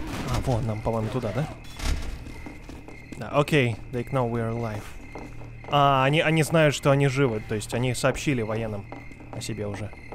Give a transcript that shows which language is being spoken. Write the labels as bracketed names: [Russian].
[Russian] А, вон нам, по-моему, туда, да? [English] Да, окей, they know we are alive. [Russian] А, они знают, что они живы, то есть они сообщили военным о себе уже.